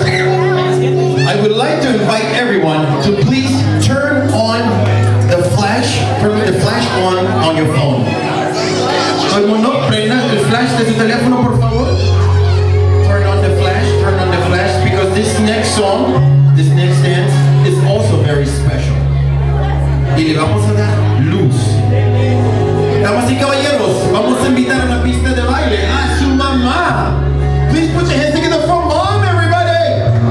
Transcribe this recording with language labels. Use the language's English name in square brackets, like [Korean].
[English] I would like to invite everyone to please turn on the flash, on your phone. [Spanish] Hermano, prenda el flash de su teléfono, por favor. [English] Turn on the flash, because this next song, this next dance, is also very special. [Spanish] Y le vamos a dar luz. Damas y caballeros, vamos a invitar a la pista de baile a su mamá. [English] Please put your hands together for mom, everybody.